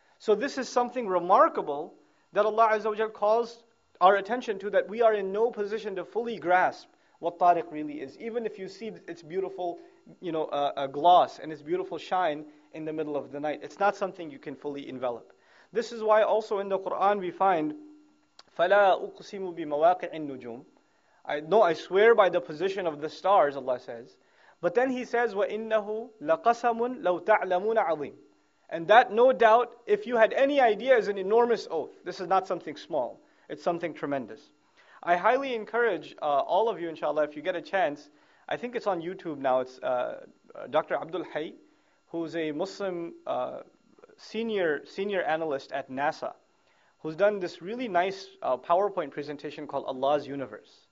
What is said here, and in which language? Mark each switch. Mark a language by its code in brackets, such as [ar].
[en] So this is something remarkable that Allah Azza wa Jal calls our attention to, that we are in no position to fully grasp what tariq really is, even if you see its beautiful, you know, a gloss and its beautiful shine in the middle of the night. It's not something you can fully envelop. This is why also in the Quran we find, [ar] فَلَا أُقْسِمُ بِمَوَاقِعِ النُّجُومِ. [en] No, I swear by the position of the stars, Allah says. But then He says, [ar] وَإِنَّهُ لَقَسَمٌ لَوْ تَعْلَمُونَ عَظِيمٌ. [en] And that, no doubt, if you had any idea, is an enormous oath. This is not something small. It's something tremendous. I highly encourage all of you, inshallah, if you get a chance, I think it's on YouTube now, it's Dr. Abdul Hay, who's a Muslim senior analyst at NASA, who's done this really nice PowerPoint presentation called Allah's Universe.